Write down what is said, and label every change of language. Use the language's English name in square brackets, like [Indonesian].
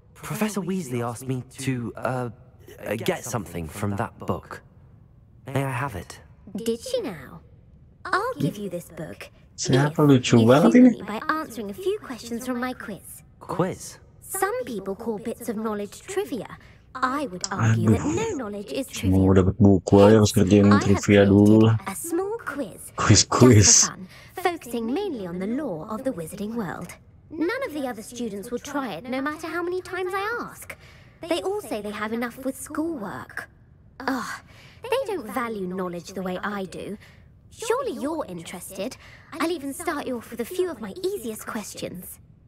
[English] Professor Weasley asked me to, get something from that book. May I have it? Did she now? I'll give you this book. [Indonesian] Siapa lucu banget ini? [English] By answering a few questions from my quiz. Quiz? Some people call bits of knowledge trivia. I would argue that no knowledge is trivia. [Indonesian] Mau dapat buku aja harus kerjain trivia dulu lah. [English] A small quiz. Quiz. Focusing mainly on the lore of the wizarding world. None of the other students will try it, no matter how many times I ask. They all say they have enough with schoolwork. Oh, they don't value knowledge the way I do. Surely you're interested. I'll even start you off with a few of my easiest questions.